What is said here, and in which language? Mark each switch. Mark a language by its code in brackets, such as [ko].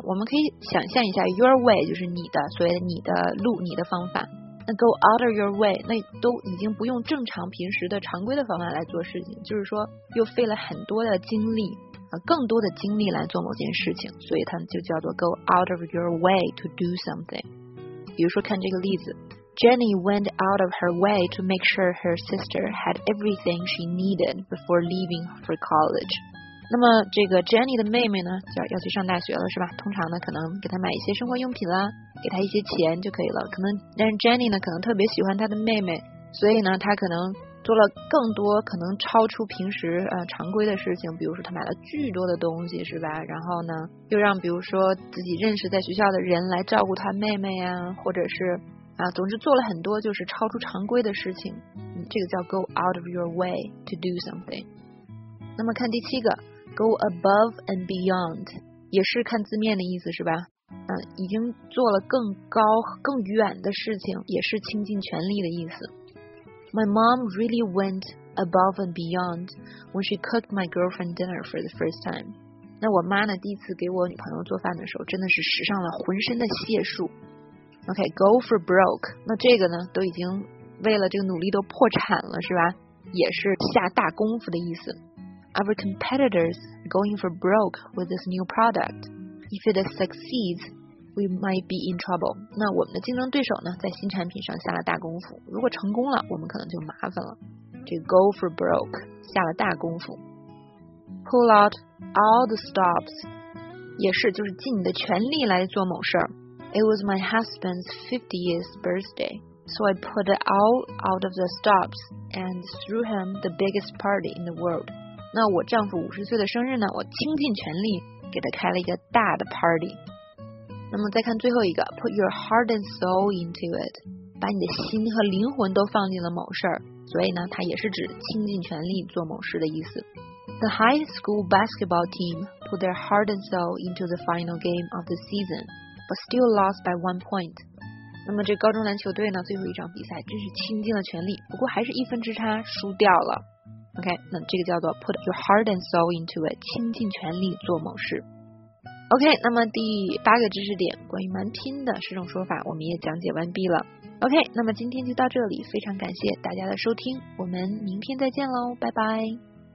[zh] 我们可以想象一下 ，your way 就是你的，所以你的路，你的方法。那 go out of your way， 那都已经不用正常平时的常规的方法来做事情，就是说又费了很多的精力。更多的精力来做某件事情，所以它就叫做 [en] go out of your way to do something。 [zh] 比如说看这个例子， [en] Jenny went out of her way to make sure her sister had everything she needed before leaving for college。 [zh] 那么这个 Jenny 的妹妹呢，要去上大学了，是吧？通常呢可能给她买一些生活用品啦，给她一些钱就可以了，可能。但是 Jenny 呢可能特别喜欢她的妹妹，所以呢她可能做了更多可能超出平时常规的事情，比如说他买了巨多的东西，是吧？然后呢又让比如说自己认识在学校的人来照顾他妹妹呀，或者是总之做了很多就是超出常规的事情，这个叫 [en] go out of your way to do something。 [zh] 那么看第七个 go above and beyond， 也是看字面的意思，是吧？已经做了更高更远的事情，也是倾尽全力的意思。 [en] My mom really went above and beyond when she cooked my girlfriend dinner for the first time. [zh] 那我妈呢，第一次给我女朋友做饭的时候，真的是使上了浑身的解数。 [en] OK, go for broke. [zh] 那这个呢，都已经为了这个努力都破产了，是吧？也是下大功夫的意思。 [en] Our competitors are going for broke with this new product. If it succeeds,We might be in trouble. [zh] 那我们的竞争对手呢，在新产品上下了大功夫。如果成功了，我们可能就麻烦了。这个 go for broke 下了大功夫。 [en] Pull out all the stops [zh] 也是，就是尽你的全力来做某事。 [en] It was my husband's 50th birthday, so I put it all out of the stops and threw him the biggest party in the world. [zh] 那我丈夫50岁的生日呢，我倾尽全力给他开了一个大的 party。那么再看最后一个， [en] put your heart and soul into it， [zh] 把你的心和灵魂都放进了某事儿。所以呢，它也是指倾尽全力做某事的意思。 [en] The high school basketball team put their heart and soul into the final game of the season but still lost by one point。 [zh] 那么这高中篮球队呢，最后一场比赛真是倾尽了全力，不过还是一分之差输掉了。 OK， 那这个叫做 [en] put your heart and soul into it， [zh] 倾尽全力做某事。 OK， 那么第八个知识点关于蛮拼的十种说法我们也讲解完毕了。 OK， 那么今天就到这里，非常感谢大家的收听，我们明天再见喽，拜拜。